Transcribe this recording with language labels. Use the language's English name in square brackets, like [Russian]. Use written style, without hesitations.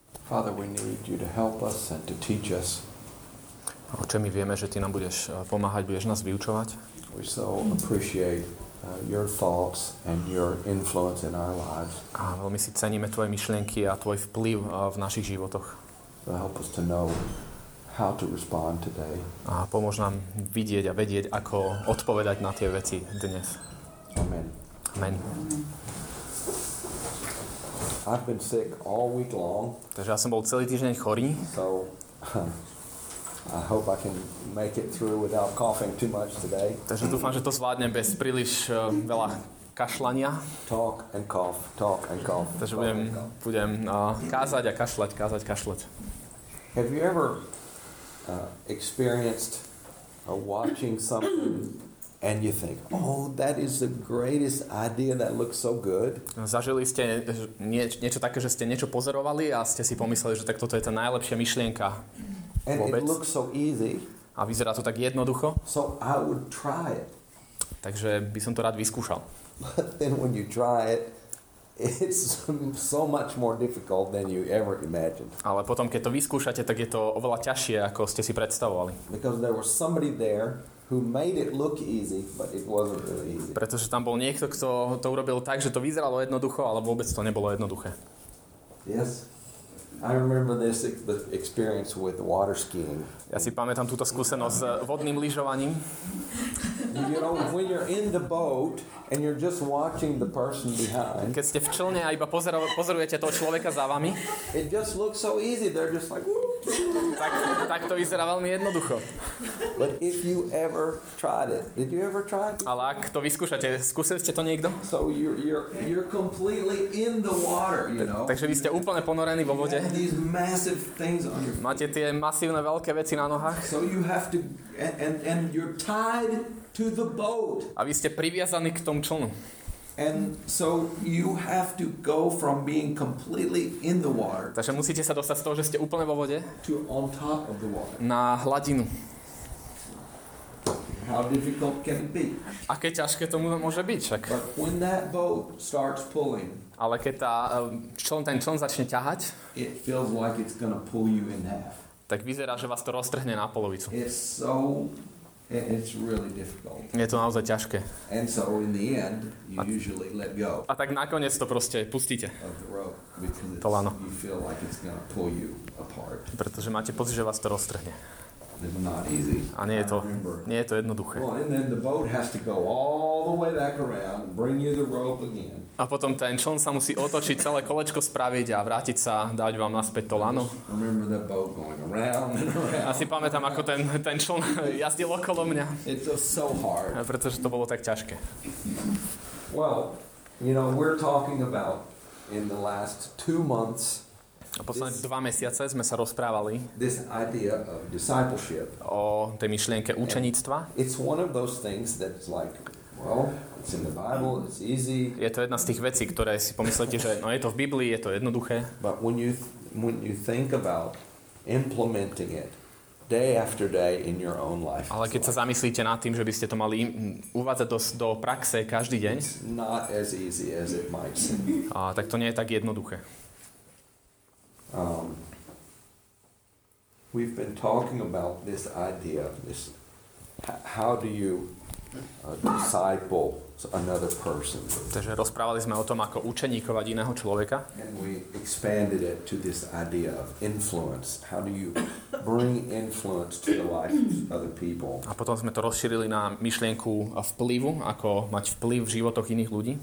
[English] Father, we need you to help us and to teach us. [Slovak] Oče, my vieme, že ty nám budeš pomáhať, budeš nás vyučovať. [English] We so appreciate your thoughts and your influence in our lives. [Slovak] A veľmi si ceníme tvoje myšlienky a tvoj vplyv v našich životoch. [English] So help us to know how to respond today. [Slovak] A pomôž nám vidieť a vedieť, ako odpovedať na tie veci dnes. [English] Amen. [Slovak] Amen. [English] I've been sick all week long. [Slovak] Takže ja som bol celý týždeň chorý. [English] So I hope I can make it through without coughing too much today. [Slovak] Takže dúfam, že to zvládnem bez príliš veľa kašľania. [English] Talk and cough, talk and cough. [Slovak] Takže budem kázať a kašľať, kázať, kašľať. [English] Have you ever experienced watching something and you think, oh, that is the greatest idea, that looks so good? [Slovak] Zažili ste niečo také, že ste niečo pozorovali a ste si pomysleli, že tak toto je tá najlepšia myšlienka vôbec? [English] And it looks so easy. [Slovak] A vyzerá to tak jednoducho. [English] So I would try it. [Slovak] Takže by som to rád vyskúšal. [English] But then when you try it, it's so much more difficult than you ever imagined. [Slovak] Ale potom, keď to vyskúšate, tak je to oveľa ťažšie, ako ste si predstavovali. [English] Because there was somebody there who made it look easy, but it wasn't really easy. [Slovak] Pretože tam bol niekto, kto to urobil tak, že to vyzeralo jednoducho, ale vôbec to nebolo jednoduché. [English] Yes. I remember this experience with water skiing. [Slovak] Ja si pamätám túto skúsenosť s vodným lyžovaním. [English] You know, when you're in the boat and you're just watching the person behind. [Slovak] Keď ste v člne a iba pozorujete toho človeka za vami. [English] It just looks so easy. They're just like [Slovak] Tak to vyzerá veľmi jednoducho. [English] But if you ever tried it. Did you ever try it? [Slovak] Ale ak to vyskúšate, skúsili ste to niekto? [English] So you're completely in the water, you know. [Slovak] Takže vy ste úplne ponorení vo vode. [English] These massive things on your. [Slovak] Máte tie masívne veľké veci na nohách. [English] So you have to and you're tied to the boat. [Slovak] A vy ste priviazaní k tomu člnu. [English] And so you have to go from being completely in the water. [Slovak] Takže musíte sa dostať z toho, že ste úplne vo vode. [English] To on top of the water. [Slovak] Na hladinu. [English] How difficult can it be? [Slovak] Aké ťažké to môže byť, však. [English] But when that boat starts pulling. [Slovak] Ale keď ten čln začne ťahať. [English] It feels like it's gonna pull you in half. [Slovak] Tak vyzerá, že vás to roztrhne na polovicu. [English] It's so it's really difficult. [Slovak] Je to naozaj ťažké. [English] And so in the end you usually let go. [Slovak] A tak nakoniec to proste pustíte. To lano. [English] You feel like it's gonna pull you apart. [Slovak] Pretože máte pocit, že vás to roztrhne. [English] It's not easy. [Slovak] A nie je to jednoduché. [English] Well, and then the boat has to go all the way back around, bring you the rope again. [Slovak] A potom ten člen sa musí otočiť, celé kolečko spraviť a vrátiť sa, dať vám naspäť to lano. [English] Remember that boat going around and around. [Slovak] Asi pamätám, ako ten člen jazdil okolo mňa. [English] It's so hard. [Slovak] Pretože to bolo tak ťažké. [English] Well, you know, we're talking about in the last 2 months. [Slovak] A posledné 2 mesiace sme sa rozprávali [English] this idea of discipleship. [Slovak] O tej myšlienke učeníctva. [English] It's one of those things that's like, well, it's in the Bible, it's easy. [Slovak] Je to jedna z tých vecí, ktoré si pomyslíte, že no je to v Biblii, je to jednoduché. [English] But when you think about implementing it day after day in your own life. [Slovak] Ale keď sa zamyslíte nad tým, že by ste to mali uvádzať do praxe každý deň. [English] Not as easy as it might seem. [Slovak] A tak to nie je tak jednoduché. [English] We've been talking about this idea of this how do you disciple another person. [Slovak] Takže rozprávali sme o tom, ako učeníkovať iného človeka. [English] And we expanded it to this idea of influence. How do you bring influence to the lives of other people? [Slovak] A potom sme to rozšírili na myšlienku vplyvu, ako mať vplyv v životoch iných ľudí.